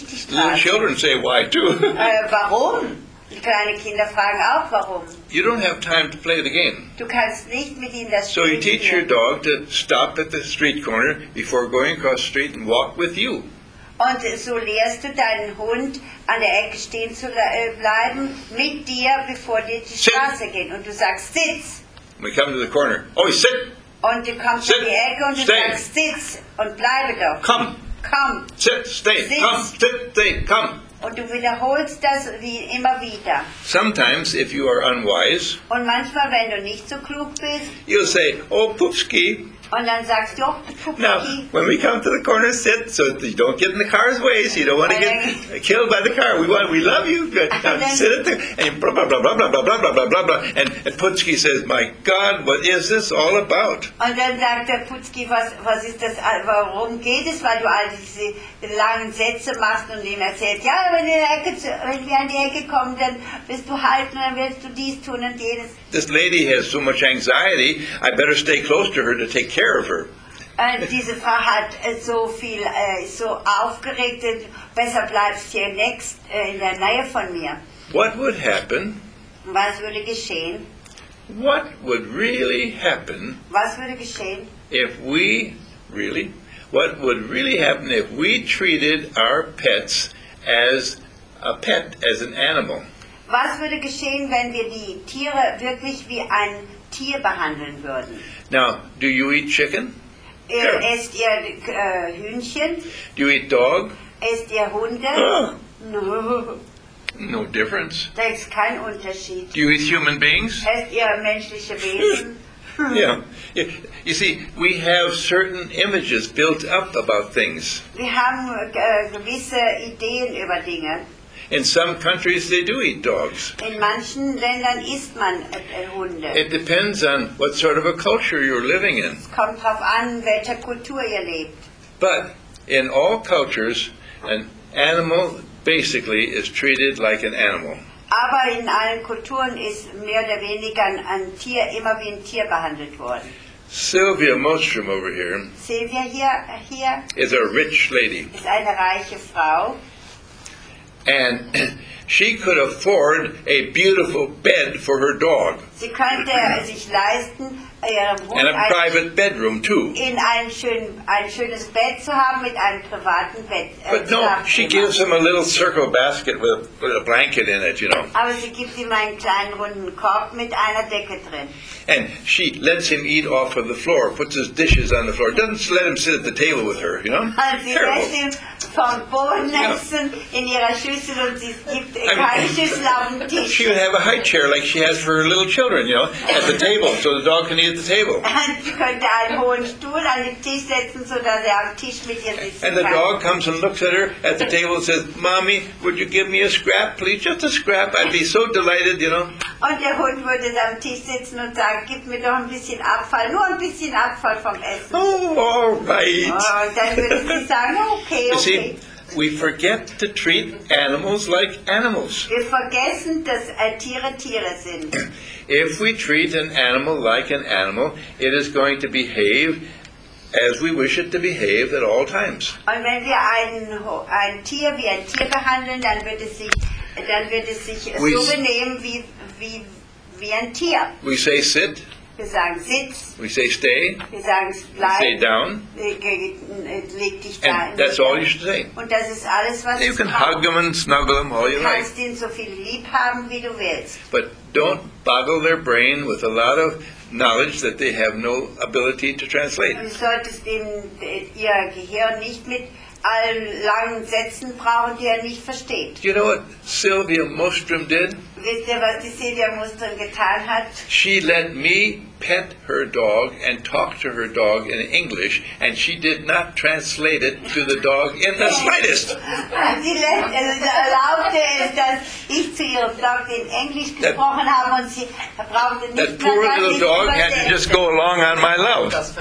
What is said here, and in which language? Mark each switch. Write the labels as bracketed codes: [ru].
[en] Little children say why too. [de] Warum? Die kleinen Kinder fragen auch, warum. [en] You don't have time to play the game. [de] Du kannst nicht mit ihnen das [en] so you teach [de] spielen. [en] Your dog to stop at the street corner before going across the street and walk with you. [de] Und so lehrst du deinen Hund an der Ecke stehen zu bleiben mit dir, bevor dir die [en] sit. [de] Straße geht. Und du sagst, sitz. [en] We come to the corner. Oh, sit. [de] Und du kommst [en] sit. [de] In die Ecke und du [en] stay. [de] Sagst, sitz und bleibe doch. Komm. Komm. [en] Sit, stay. [de] Sitz. Komm, [en] sit, stay. [de] Komm. Und du wiederholst das wie immer wieder. [en] Sometimes, if you are unwise, [de] und manchmal, wenn du nicht so klug bist, [en] you'll say, oh, Pupski. [de] Und dann sagst du, [en] now, when we come to the corner, sit so that you don't get in the car's way, so you don't want to get killed by the car. We love you. Sit at the, and blah, blah, blah, blah, blah, blah, blah, blah, blah, blah. And Putski says, my God, what is this all about? [de] Und dann sagt der Putski, was ist das, warum geht es, weil du all diese langen Sätze machst und ihm erzählt, ja, wenn wir an die Ecke kommen, dann wirst du halten, dann wirst du dies tun und jenes. [en] This lady has so much anxiety, I better stay close to her to take care of her. [de] Diese Frau hat so viel, so aufgeregt, besser bleibst hier next, in der Nähe von mir. [en] What would happen? [de] Was würde geschehen? [en] What would really happen? [de] Was würde geschehen? [en] If we, really? What would really happen if we treated our pets as a pet, as an animal? [de] Was würde geschehen, wenn wir die Tiere wirklich wie ein Tier behandeln würden? [en] Now, do you eat chicken? [de] Esst ihr Hühnchen? [en] Do you eat dog? [de] Esst ihr Hunde? [en] No difference. [de] Da ist kein Unterschied. [en] Do you eat human beings? [de] Esst ihr menschliche Wesen? [en] Yeah. You see, we have certain images built up about things. [de] Wir haben gewisse Ideen über Dinge. [en] In some countries they do eat dogs. [de] In manchen Ländern isst man Hunde. [en] It depends on what sort of a culture you're living in. [de] Es kommt drauf an, welcher Kultur ihr lebt. [en] But in all cultures, an animal basically is treated like an animal. [de] Aber in allen Kulturen ist mehr oder weniger ein Tier immer wie ein Tier behandelt worden. [en] Sylvia Mostrom over here. [de] Sylvia hier. [en] Is a rich lady. [de] Ist eine reiche Frau. [en] And she could afford a beautiful bed for her dog. [de] Sie könnte sich leisten, ihrem Hund [en] and a private bedroom too. [de] In ein schönes Bett zu haben mit einem privaten Bett. [en] But no, she gives him a little circle basket with a blanket in it, you know. [de] Aber sie gibt ihm einen kleinen runden Korb mit einer Decke drin. [en] And she lets him eat off of the floor, puts his dishes on the floor, doesn't let him sit at the table with her, you know. [de] Vom Boden essen in ihrer Schüssel und sie gibt keine Schüssel auf dem Tisch. [en] She would have a high chair like she has for her little children, you know, at the table, so the dog can eat at the table. [de] Und sie könnte einen hohen Stuhl an den Tisch setzen, sodass er am Tisch mit ihr sitzen kann. [en] And the dog comes and looks at her at the table and says, Mommy, would you give me a scrap, please? Just a scrap. I'd be so delighted, you know. [de] Und der Hund würde am Tisch sitzen und sagen, gib mir doch ein bisschen Abfall, nur ein bisschen Abfall vom Essen. [en] Oh, all right. [de] Oh, dann würde sie sagen, okay. [en] We forget to treat animals like animals. [de] Wir vergessen, dass Tiere Tiere sind. [en] If we treat an animal like an animal, it is going to behave as we wish it to behave at all times. [de] Und wenn wir ein Tier wie ein Tier behandeln, dann wird es sich so benehmen wie ein Tier. [en] We say sit. [de] Wir sagen sitz. [en] We say stay. [de] Wir sagen bleib. [en] Stay down. [de] Leg dich [en] and [de] da. [en] That's all you should say. [de] Und das ist alles, was [en] you can hug them and snuggle them all you like. [de] Du kannst ihn so viel lieb haben, wie du willst. [en] But don't boggle their brain with a lot of knowledge that they have no ability to translate. [de] Du solltest ihr Gehirn nicht mit allen langen Sätzen brauchen, die er nicht versteht. [en] You know what Sylvia Mostrom did? [de] Wisst ihr, was die Sylvia Mostrom getan hat? [en] She let me pet her dog and talk to her dog in English, and she did not translate it to the dog in the slightest. [de] Sie erlaubte es, dass ich zu ihrem Dog in Englisch gesprochen habe, und sie brauchte nicht. [en] That poor little dog had to just go along on my love.